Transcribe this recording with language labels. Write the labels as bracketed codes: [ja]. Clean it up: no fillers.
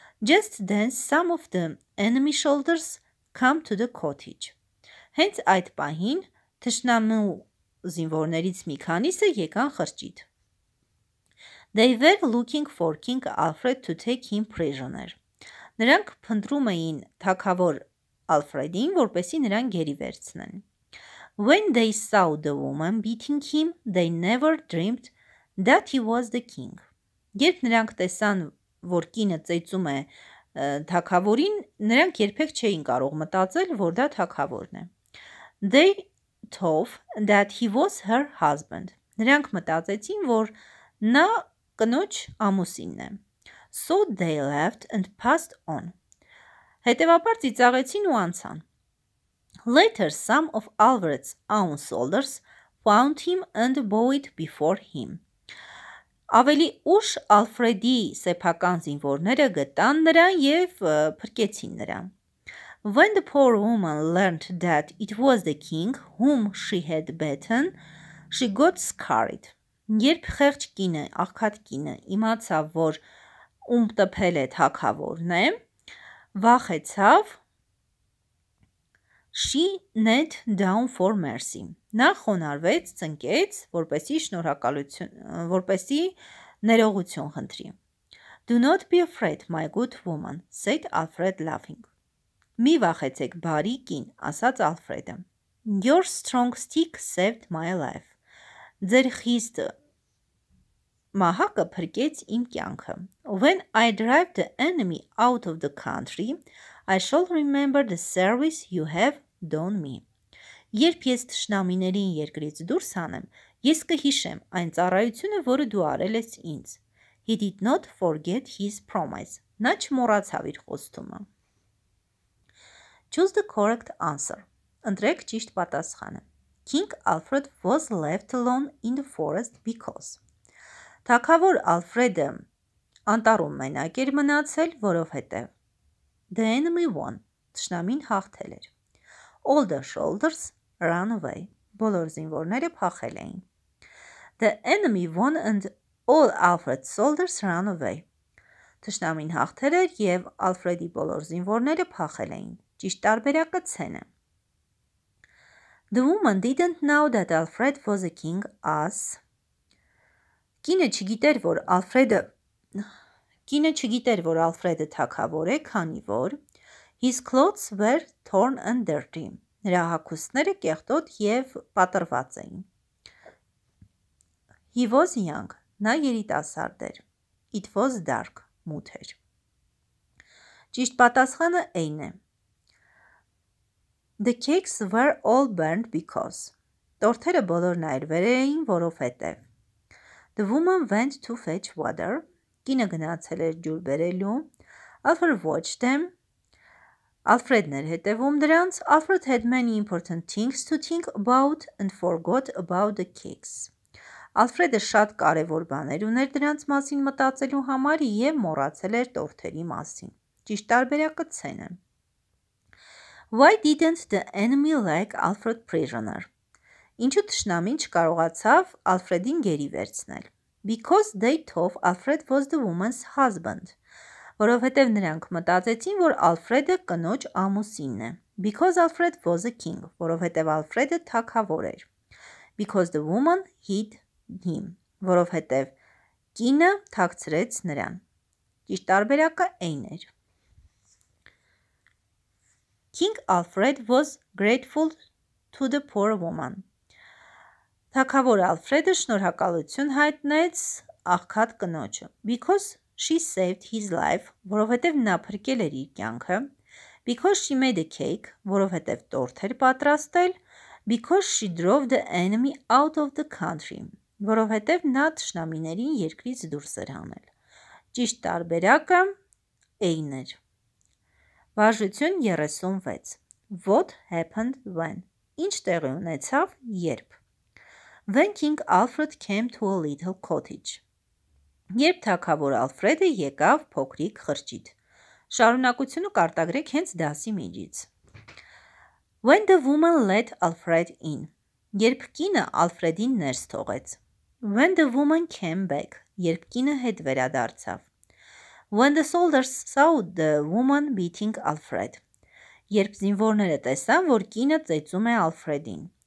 [en] Just then some of the enemy soldiers come to the cottage. [hy] Հենց այդ պահին թշնամու զինվորներից մի քանիսը եկան խրճիթ։ [en] They were looking for King Alfred to take him prisoner. [hy] Նրանք փնտրում էին թագավոր Ալֆրեդին, որպեսզի նրան գերի վերցնեն։ [en] When they saw the woman beating him, they never dreamed that he was the king. [hy] Երբ նրանք տեսան, որ կինը ծեծում է թագավորին, նրանք երբեք չէին կարող մտածել, որ դա թագավորն է։ [en] They thought that he was her husband. [hy] Նրանք մտածեցին, որ նա կնոջ ամուսինն է։ [en] So they left and passed on. [hy] Հետևաբար ծիծաղեցին ու անցան։ [en] Later some of Alfred's own soldiers found him and bowed before him. [hy] Ավելի ուշ Ալֆրեդի սեփական զինվորները գտան նրան եւ փրկեցին նրան. [en] When the poor woman learned that it was the king whom she had beaten, she got scared. [hy] Երբ խեղճ կինը, աղքատ կինը իմացավ, որ ում տպել է թագավորն է, վախեցավ. [en] She knelt down for mercy. [hy] Նա խոնարհվեց, ծնկեց, որպեսի շնորհակալություն, որպեսի ներողություն խնդրի. [en] Do not be afraid, my good woman, said Alfred laughing. [hy] Մի վախեցեք, բարի կին, ասաց Ալֆրեդը. [en] Your strong stick saved my life. [hy] Ձեր խիստ մահակը փրկեց իմ կյանքը. [en] When I drive the enemy out of the country, I shall remember the service you have done me. [hy] Երբ ես թշնամիներին երկրից դուրս անեմ, ես կհիշեմ այն ծառայությունը, որը դու արել ես ինձ. [en] He did not forget his promise. [hy] Նա չմոռացավ իր խոստումը. [en] Choose the correct answer. [hy] Ընտրեք ճիշտ պատասխանը. [en] King Alfred was left alone in the forest because. [hy] Թագավոր Ալֆրեդը անտառում մենակ էր մնացել, որովհետև. [en] The enemy won. [hy] Թշնամին հաղթել էր. [en] All the soldiers ran away. [hy] Բոլոր զինվորները փախել էին. [en] The enemy won and all Alfred's soldiers ran away. [hy] Թշնամին հաղթել էր եւ Ալֆրեդի բոլոր զինվորները փախել էին. Ճիշտ տարբերակը ցենը. [en] The woman didn't know that Alfred was a king as. [hy] Կինը չգիտեր, որ Ալֆրեդը թագավոր է, քանի որ [en] his clothes were torn and dirty. [hy] Նրա հագուստները կեղտոտ եւ պատրված էին. [en] He was young. [hy] Նա երիտասարդ էր. [en] It was dark. [hy] Մութ էր. Ճիշտ պատասխանը A-ն է. [en] The cakes were all burned because. [hy] Տորթերը բոլոր նայրվել էին, որովհետև. [en] The woman went to fetch water. [hy] Կինը գնացել էր ջուր բերելու. [en] Alfred watched them. [hy] Ալֆրեդն էր հետևում դրանց. [en] Alfred had many important things to think about and forgot about the cakes. [hy] Ալֆրեդը շատ կարևոր բաներ ուներ դրանց մասին մտածելու համար եւ մոռացել էր տորթերի մասին. Ճիշտ տարբերակը C-ն է. [en] Why didn't the enemy like Alfred prisoner? [hy] Ինչու թշնամին չկարողացավ Ալֆրեդին գերի վերցնել? [en] Because they thought Alfred was the woman's husband. [hy] Որովհետև նրանք մտածեցին, որ Ալֆրեդը կնոջ ամուսինն է. [en] Because Alfred was a king. [hy] Որովհետև Ալֆրեդը թագավոր էր. [en] Because the woman hid him. [hy] Որովհետև կինը թաքցրեց նրան. Ճիշտ տարբերակը A-ն էր. [en] King Alfred was grateful to the poor woman. [hy] Թագավոր Ալֆրեդը շնորհակալություն հայտնեց աղքատ կնոջը. [en] Because she saved his life, [hy] որովհետև նա փրկել էր իր կյանքը. [en] Because she made a cake, [hy] որովհետև տորթ էր պատրաստել. [en] Because she drove the enemy out of the country, [hy] որովհետև նա թշնամիներին երկրից դուրս էր հանել. Ճիշտ տարբերակը A-ն էր. Վարժություն 36. [en] What happened when? [hy] Ինչ տեղի ունեցավ, երբ? [en] When King Alfred came to a little cottage. [hy] Երբ թագավոր Ալֆրեդը եկավ փոքրիկ խրճիթ. Շարունակությունը կարտագրեք հենց դասի միջից. [en] When the woman let Alfred in. [hy] Երբ կինը Ալֆրեդին ներս թողեց. [en] When the woman came back. [hy] Երբ կինը հետ վերադարձավ. [en] When the soldiers saw the woman beating Alfred. [hy] Երբ զինվորները տեսան, որ կինը ծեծում է Ալֆրեդին.